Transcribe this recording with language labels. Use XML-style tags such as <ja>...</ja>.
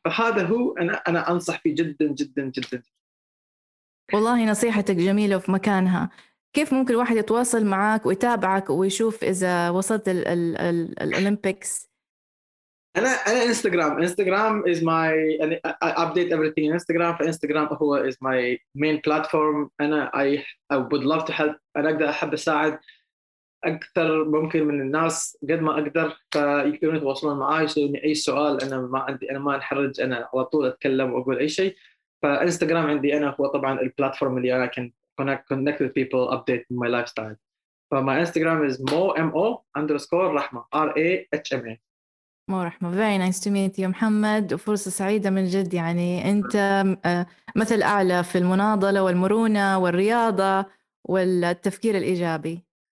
<ar>فهذا هو أنا أنصح فيه جدا جدا جدا. والله نصيحتك جميلة وفي مكانها. كيف ممكن الواحد يتواصل معك ويتابعك ويشوف إذا وصلت الأولمبيكس؟ أنا إنستغرام</ar> <en>is my I update everything in Instagram.</en> <ar>فإنستغرام هو</ar> <en>is my main platform.</en> <ar>أنا</ar> <en>I would love to help.</en> <ar>أنا أقدر أحب أساعد أكثر ممكن من الناس قد ما أقدر. فيقدرون يتواصلون معي، يسألوني أي سؤال. أنا ما عندي، أنا ما أنحرج، أنا على طول أتكلم وأقول أي شيء. فإنستغرام عندي أنا هو طبعاً البلاتفورم اللي أنا</ar> <en>can connect with people, update my lifestyle.</en> <ar>فمي إنستغرام</ar> <en>is mo_rahma rahma.</en> <ar>مو رحمة.</ar> <en>Very nice to meet you</en> <ar>محمد، وفرصة سعيدة من جد. يعني أنت مثل أعلى في المناضلة والمرونة والرياضة والتفكير الإيجابي.</ar>